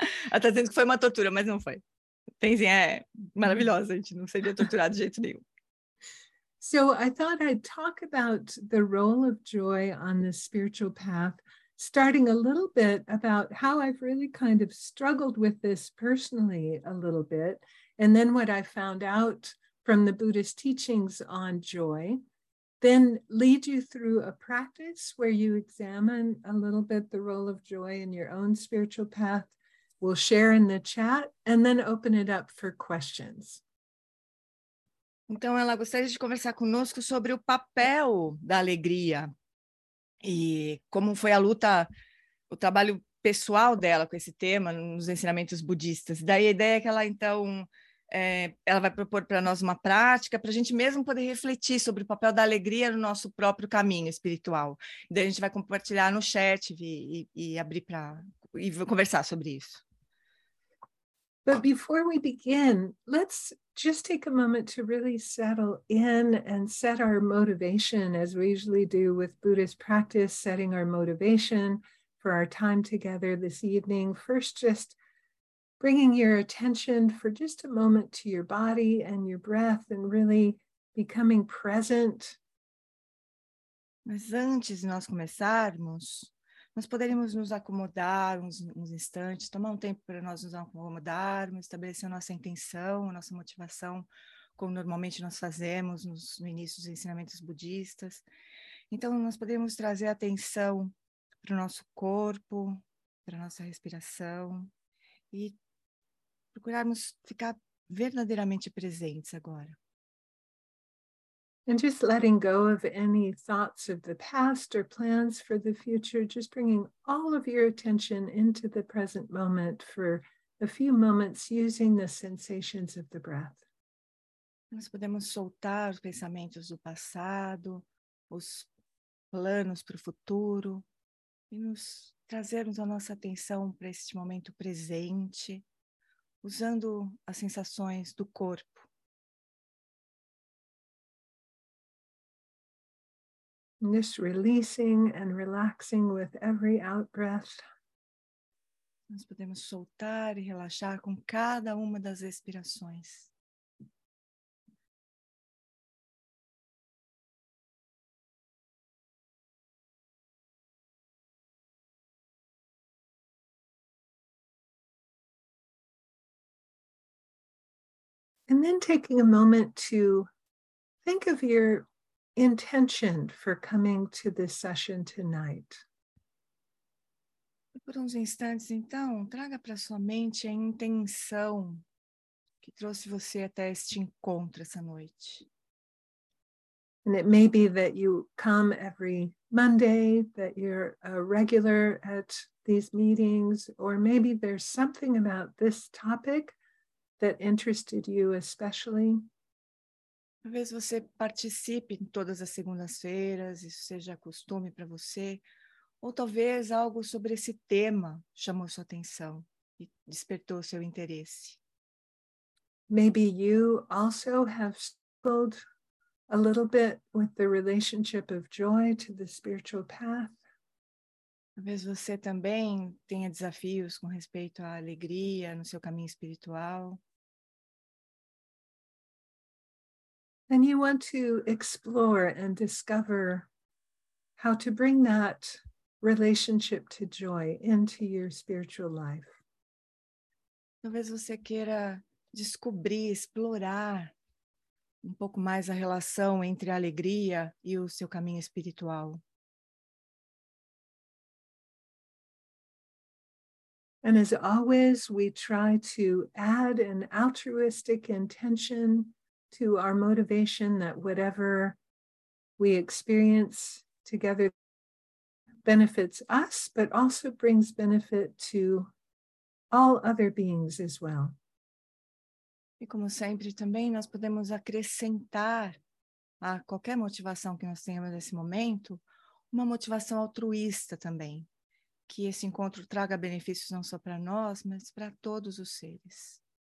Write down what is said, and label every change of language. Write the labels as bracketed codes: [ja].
[pt] Ela está dizendo que foi uma tortura, mas não foi. Tenzin é maravilhosa, a gente não seria torturado de jeito nenhum. [en] So I thought I'd talk about the role of joy on the spiritual path. Starting a little bit about how I've really kind of struggled with this personally a little bit, and then what I found out from the Buddhist teachings on joy, then lead you through a practice where you examine a little bit the role of joy in your own spiritual path. We'll share in the chat and then open it up for questions. [pt] Então, ela gostaria de conversar conosco sobre o papel da alegria e como foi a luta, o trabalho pessoal dela com esse tema nos ensinamentos budistas. Daí a ideia é que ela, então, ela vai propor para nós uma prática para a gente mesmo poder refletir sobre o papel da alegria no nosso próprio caminho espiritual. Daí a gente vai compartilhar no chat e abrir e conversar sobre isso. [en] But before we begin, let's just take a moment to really settle in and set our motivation, as we usually do with Buddhist practice, setting our motivation for our time together this evening. First, just bringing your attention for just a moment to your body and your breath, and really becoming present. [pt] Mas antes de nós começarmos, nós poderíamos nos acomodar uns instantes, tomar um tempo para nós nos acomodarmos, estabelecer a nossa intenção, a nossa motivação, como normalmente nós fazemos no início dos ensinamentos budistas. Então, nós poderíamos trazer atenção para o nosso corpo, para a nossa respiração e procurarmos ficar verdadeiramente presentes agora. [en] And just letting go of any thoughts of the past or plans for the future, just bringing all of your attention into the present moment for a few moments using the sensations of the breath. [pt] Nós podemos soltar os pensamentos do passado, os planos para o futuro, e nos trazermos a nossa atenção para este momento presente, usando as sensações do corpo. [en] Just releasing and relaxing with every out-breath. [pt] Nós podemos soltar e relaxar com cada uma das respirações. [en] And then taking a moment to think of your intention for coming to this session tonight. [pt] Por uns instantes, então, traga para sua mente a intenção que trouxe você até este encontro essa noite. [en] And it may be that you come every Monday, that you're a regular at these meetings, or maybe there's something about this topic that interested you especially. [pt] Talvez você participe em todas as segundas-feiras, isso seja costume para você, ou talvez algo sobre esse tema chamou sua atenção e despertou seu interesse. [en] Maybe you also have struggled a little bit with the relationship of joy to the spiritual path. [pt] Talvez você também tenha desafios com respeito à alegria no seu caminho espiritual. [en] And you want to explore and discover how to bring that relationship to joy into your spiritual life. [pt] Talvez você queira descobrir, explorar um pouco mais a relação entre a alegria e o seu caminho espiritual. [en] And as always, we try to add an altruistic intention to our motivation that whatever we experience together benefits us, but also brings benefit to all other beings as well. [pt] E como sempre também, nós podemos acrescentar a qualquer motivação que nós tenhamos nesse momento, uma motivação altruísta também, que esse encontro traga benefícios não só para nós, mas para todos os seres.